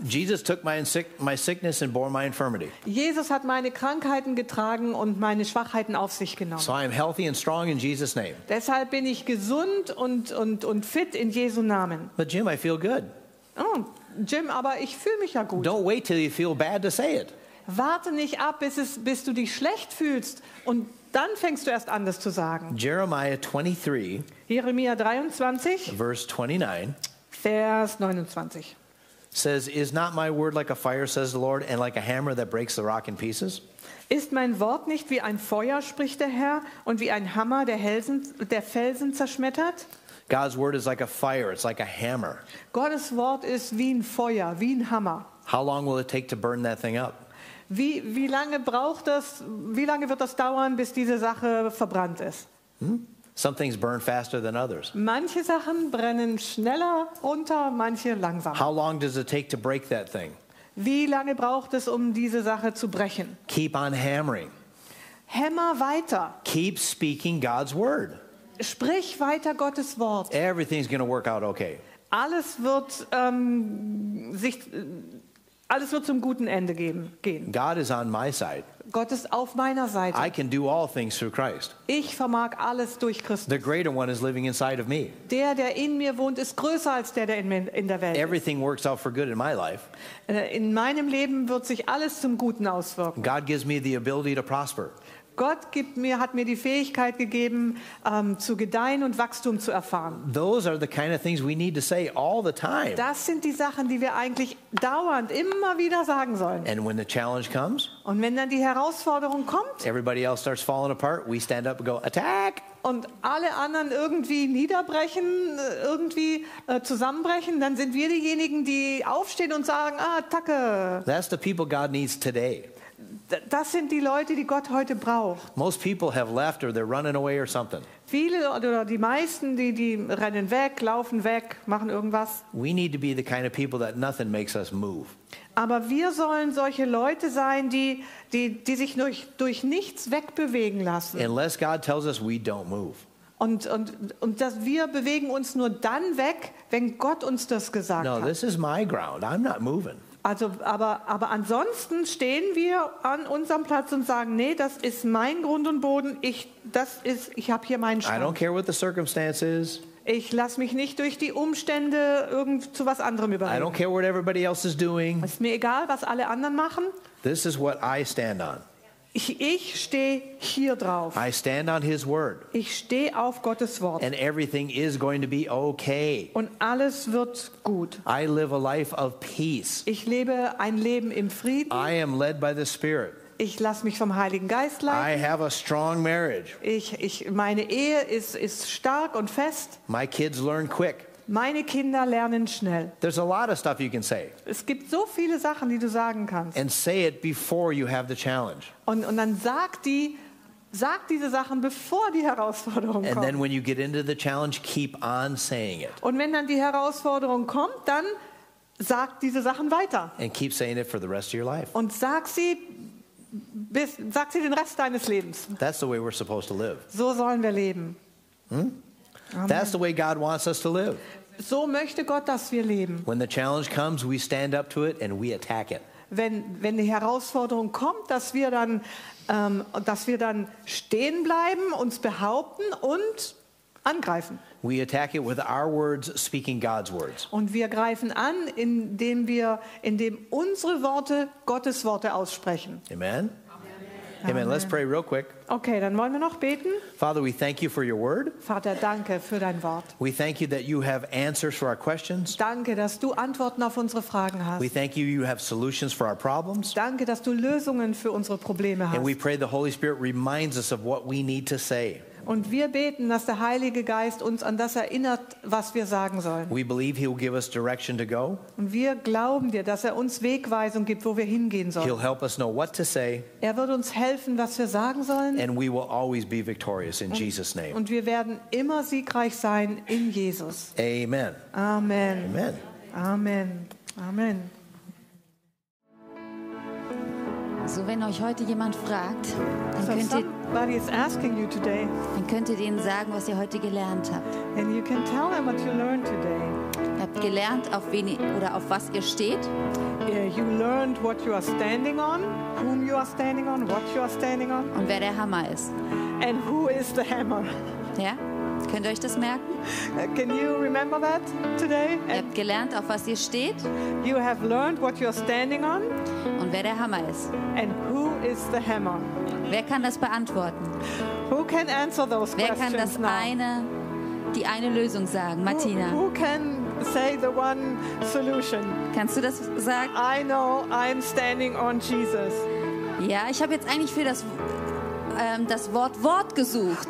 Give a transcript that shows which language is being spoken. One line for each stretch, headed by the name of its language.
English: Jesus took my sickness and bore my infirmity.
German: Jesus hat meine Krankheiten getragen und meine Schwachheiten auf sich genommen.
English: So I am healthy and strong in Jesus' name.
German: Deshalb bin ich gesund und fit in Jesu Namen.
English: But Jim, I feel good.
German: Oh, Jim, aber ich fühle mich ja gut.
English: Don't wait till you feel bad to say it.
German: Warte nicht ab, bis du dich schlecht fühlst und dann fängst du erst an, das zu sagen.
English: Jeremiah 23.
German: Jeremiah 23,
English: verse 29,
German: Vers 29
English: says, "Is not my word like a fire, says the Lord, and like a hammer that breaks the rock in pieces?"
German: Ist mein Wort nicht wie ein Feuer, spricht der Herr, und wie ein Hammer, der Felsen zerschmettert?
English: God's word is like a fire; it's like a hammer.
German: Gottes Wort ist wie ein Feuer, wie ein Hammer.
English: How long will it take to burn that thing up?
German: Wie lange wird das dauern, bis diese Sache verbrannt ist?
English: Some things burn faster than others.
German: Manche Sachen brennen schneller runter, manche langsamer.
English: How long does it take to break that thing?
German: Wie lange braucht es, um diese Sache zu brechen?
English: Keep on hammering.
German: Hämmer weiter.
English: Keep speaking God's word.
German: Sprich weiter Gottes Wort.
English: Everything's going to work out okay.
German: Alles wird zum guten Ende gehen.
English: God is on my side.
German: Gott ist auf meiner Seite.
English: I can do all things through Christ.
German: Ich vermag alles durch Christus.
English: The greater one is living inside of me.
German: Der in mir wohnt, ist größer als der in mir, in der Welt.
English: Everything
German: ist.
English: Works out for good in my life.
German: In meinem Leben wird sich alles zum Guten auswirken.
English: God gives me the ability to prosper.
German: Gott hat mir die Fähigkeit gegeben, zu gedeihen und Wachstum zu erfahren.
English: Those are the kind of things we need to say all the time.
German: Das sind die Sachen, die wir eigentlich dauernd immer wieder sagen sollen.
English: And when the challenge comes,
German: und wenn dann die Herausforderung kommt,
English: everybody else starts falling apart, we stand up and go, attack!
German: Und alle anderen irgendwie niederbrechen, irgendwie zusammenbrechen, dann sind wir diejenigen, die aufstehen und sagen, ah, attacke!
English: That's the people God needs today.
German: Das sind die Leute, die Gott heute braucht.
English: Most people have left or they're running away or something.
German: Viele oder die meisten, die rennen weg, laufen weg, machen irgendwas.
English: We need to be the kind of people that nothing makes us move.
German: Aber wir sollen solche Leute sein, die sich durch nichts wegbewegen lassen.
English: Unless God tells us we don't move.
German: Und dass wir bewegen uns nur dann weg, wenn Gott uns das gesagt
English: no,
German: hat.
English: No, this is my ground. I'm not moving.
German: Also, aber ansonsten stehen wir an unserem Platz und sagen, nee, das ist mein Grund und Boden. Ich habe hier meinen Stand.
English: I don't care what the circumstance is.
German: Ich lasse mich nicht durch die Umstände irgend zu was anderem überreden.
English: I don't care what everybody else is doing.
German: Es ist mir egal, was alle anderen machen.
English: This is what I stand on.
German: Ich stehe hier drauf.
English: I stand on his word.
German: Ich stehe auf Gottes Wort.
English: And everything is going to be okay.
German: Und alles wird gut.
English: I live a life of peace.
German: Ich lebe ein Leben im Frieden.
English: I am led by the Spirit.
German: Ich lasse mich vom Heiligen Geist leiten.
English: I have a strong marriage.
German: Ich meine Ehe ist stark und fest.
English: My kids learn quick.
German: Meine Kinder lernen schnell.
English: There's a lot of stuff you can say.
German: Es gibt so viele Sachen, die du sagen kannst.
English: And say it before you have the challenge.
German: Und dann sag diese Sachen, bevor die Herausforderung kommt.
English: And then when you get into the challenge, keep on saying it.
German: Und wenn dann die Herausforderung kommt, dann sag diese Sachen weiter.
English: And keep saying it for the rest of your life.
German: Und sag sie den Rest deines Lebens.
English: That's the way we're supposed to live.
German: So sollen wir leben.
English: Amen. That's the way God wants us to live.
German: So möchte Gott, dass wir leben.
English: When the challenge comes, we stand up to it and we attack it.
German: Wenn die Herausforderung kommt, dass wir dann stehen bleiben, uns behaupten und angreifen.
English: We attack it with our words speaking God's words.
German: Und wir greifen an, indem unsere Worte Gottes Worte aussprechen.
English: Amen. Amen. Amen. Let's pray real quick.
German: Okay, dann wollen wir noch beten.
English: Father, we thank you for your word.
German: Vater, danke für dein Wort.
English: We thank you that you have answers for our questions.
German: Danke, dass du Antworten auf unsere Fragen hast.
English: We thank you, you have solutions for our problems.
German: Danke, dass du Lösungen für unsere Probleme hast.
English: And we pray the Holy Spirit reminds us of what we need to say.
German: Und wir beten, dass der Heilige Geist uns an das erinnert, was wir sagen sollen.
English: We believe he'll give us direction to go.
German: Und wir glauben dir, dass uns Wegweisung gibt, wo wir hingehen sollen.
English: He'll help us know what to say.
German: Wird uns helfen, was wir sagen sollen.
English: And we will always be victorious in Jesus' name.
German: Und wir werden immer siegreich sein in Jesus.
English: Amen. Amen. Amen. Amen. Amen.
German: So, wenn euch heute jemand fragt,
English: Somebody is asking you today.
German: Dann könnt ihr denen sagen, was ihr heute gelernt habt.
English: And you can tell them what you learned today.
German: Ihr habt gelernt, auf was ihr steht.
English: Yeah, you learned what you are standing on, whom you are standing on, what you are standing on.
German: Und wer der Hammer ist.
English: And who is the hammer?
German: Ja? Könnt ihr euch das merken?
English: Can you remember that today?
German: Ihr habt gelernt, auf was ihr steht.
English: You have learned what you are standing on.
German: Und wer der Hammer ist.
English: And who is the hammer?
German: Wer kann das beantworten?
English: Who can answer those questions?
German: Wer kann das die eine Lösung sagen, Martina?
English: Who can say the one solution?
German: Kannst du das sagen?
English: I know I'm standing on Jesus.
German: Ja, ich habe jetzt eigentlich für das Wort gesucht.